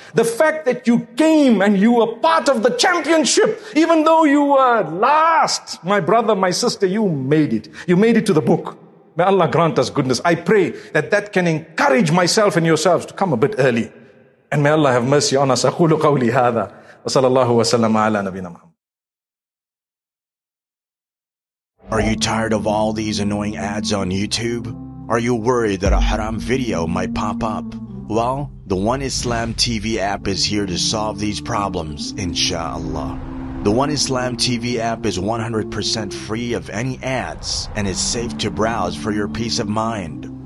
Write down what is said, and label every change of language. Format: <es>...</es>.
<en>The fact that you came and you were part of the championship, even though you were last, my brother, my sister, you made it. You made it to the book. May Allah grant us goodness. I pray that that can encourage myself and yourselves to come a bit early. And may Allah have mercy on us.</en> <ar>أقول قولي هذا وصلى الله وسلم على نبينا محمد.</ar> <en>Are you tired of all these annoying ads on YouTube? Are you worried that a haram video might pop up? Well, the One Islam TV app is here to solve these problems, inshallah. The One Islam TV app is 100% free of any ads and is safe to browse for your peace of mind.</en>